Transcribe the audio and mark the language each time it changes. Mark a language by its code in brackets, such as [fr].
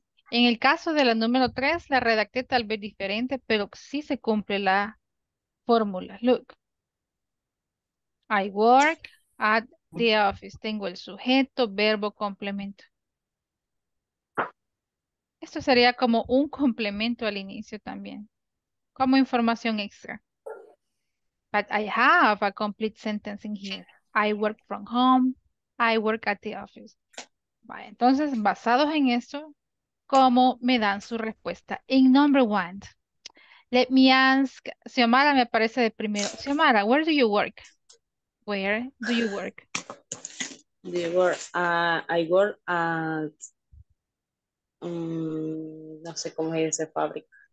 [es] En el caso de la número 3, la redacté tal vez diferente, pero sí se cumple la fórmula. [en] Look. I work at the office. [es] Tengo el sujeto, verbo, complemento. Esto sería como un complemento al inicio también, como información extra. [en] But I have a complete sentence in here. I work from home. I work at the office. [es] Vale, entonces, basados en esto, ¿cómo me dan su respuesta? [en] In number one, let me ask, Xiomara [es] me aparece de primero. [en] Xiomara, where do you work? Where do you work? I work at, [es] no sé cómo se dice fábrica.